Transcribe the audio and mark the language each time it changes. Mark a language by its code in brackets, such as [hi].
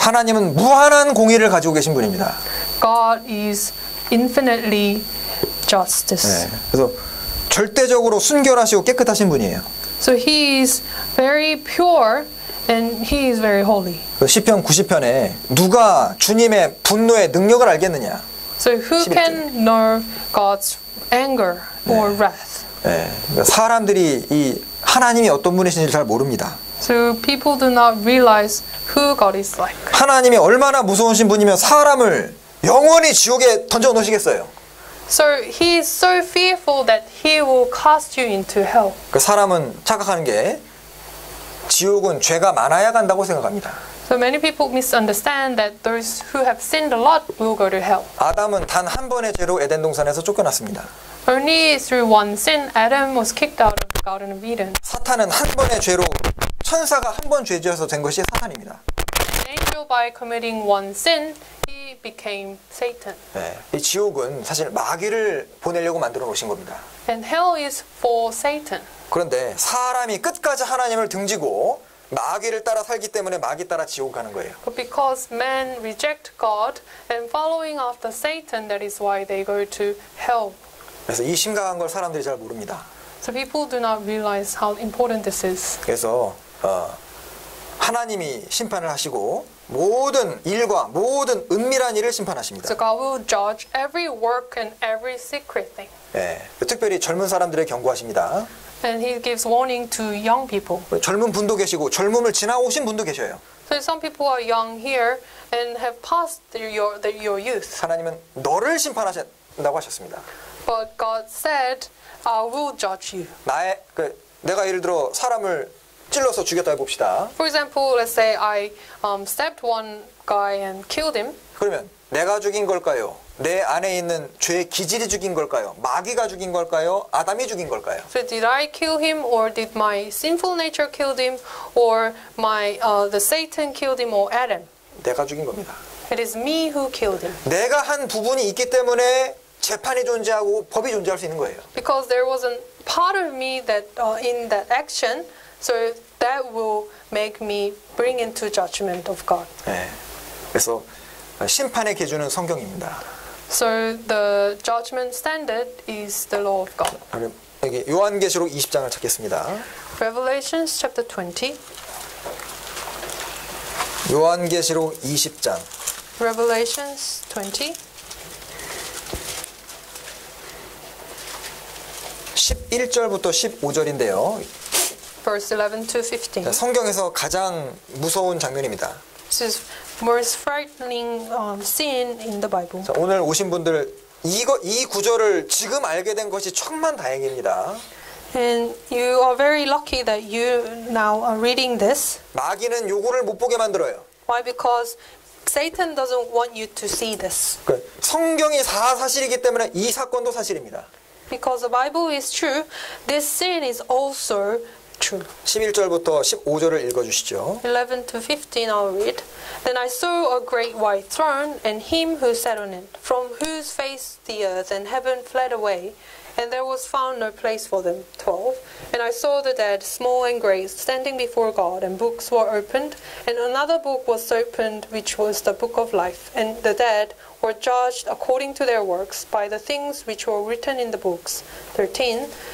[ko] 하나님은 무한한 공의를 가지고 계신 분입니다. [en] God is infinitely justice. [ko] 네. 그래서 절대적으로 순결하시고 깨끗하신 분이에요. [en] So He is very pure and He is very holy. [ko] 시편 90편에 누가 주님의 분노의 능력을 알겠느냐? [en] So who [ko] 11절에. [en] can know God's anger or [ko] 네. [en] wrath? [ko] 네. 그러니까 사람들이 이 하나님이 어떤 분이신지 잘 모릅니다. [en] So people do not realize who God is like. [ko] 하나님이 얼마나 무서우신 분이면 사람을 영원히 지옥에 던져 놓으시겠어요? [en] So he is so fearful that he will cast you into hell. [ko] 그 사람은 착각하는 게 지옥은 죄가 많아야 간다고 생각합니다. [en] So many people misunderstand that those who have sinned a lot will go to hell. [ko] 아담은 단 한 번의 죄로 에덴 동산에서 쫓겨났습니다. [en] Only through one sin, Adam was kicked out of the Garden of Eden. [ko] 사탄은 한 번의 죄로 천사가 한 번 죄지어서 된 것이 사탄입니다. [en] Angel by committing one sin, he became Satan. [ko] 네, 이 지옥은 사실 마귀를 보내려고 만들어 놓으신 겁니다. [en] And hell is for Satan. [ko] 그런데 사람이 끝까지 하나님을 등지고 마귀를 따라 살기 때문에 마귀 따라 지옥 가는 거예요. [en] But because men reject God and following after Satan, that is why they go to hell. [ko] 그래서 이 심각한 걸 사람들이 잘 모릅니다. [en] So people do not realize how important this is. [ko] 그래서 하나님이 심판을 하시고 모든 일과 모든 은밀한 일을 심판하십니다. [en] So God will judge every work and every secret thing. [ko] 예, 특별히 젊은 사람들에 경고하십니다. [en] And he gives warning to young people. [ko] 젊은 분도 계시고 젊음을 지나오신 분도 계셔요. [en] So some people are young here and have passed through your youth. [ko] 하나님은 너를 심판하신다고 하셨습니다. [en] But God said, I will judge you. [ko] 나의 내가 예를 들어 사람을 찔러서 죽였다 해봅시다. [en] For example, let's say I stabbed one guy and killed him. [ko] 그러면 내가 죽인 걸까요? 내 안에 있는 죄의 기질이 죽인 걸까요? 마귀가 죽인 걸까요? 아담이 죽인 걸까요? [en] So did I kill him or did my sinful nature killed him or my the Satan killed him or Adam? [ko] 내가 죽인 겁니다. [en] It is me who killed him. [ko] 내가 한 부분이 있기 때문에 재판이 존재하고 법이 존재할 수 있는 거예요. [en] Because there was a part of me that in that action, so that will make me bring into judgment of God. [ko] 네. 그래서 심판의 기준은 성경입니다. [en] So the judgment standard is the law of God. [ko] 그럼 여기 요한계시록 20장을 찾겠습니다. [en] Revelation chapter 20. [ko] 요한계시록 20장. [en] Revelation 20. [ko] 11절부터 15절인데요. [en] Verse 11 to 15. [ko] 성경에서 가장 무서운 장면입니다. [en] This is most frightening scene in the Bible. [ko] 자, 오늘 오신 분들 이 구절을 지금 알게 된 것이 천만다행입니다. [en] And you are very lucky that you now are reading this. [ko] 마귀는 요거를 못 보게 만들어요. [en] Why? Because Satan doesn't want you to see this. [ko] 성경이 다 사실이기 때문에 이 사건도 사실입니다. [en] Because the Bible is true, this sin is also true. [ko] 11절부터 15절을 읽어주시죠. [en] 11 to 15, I'll read. Then I saw a great white throne, and him who sat on it, from whose face the earth and heaven fled away, and there was found no place for them. 12. And I saw the dead, small and great, standing before God, and books were opened, and another book was opened, which was the book of life, and the dead were judged according to their works by the things which were written in the books. 13.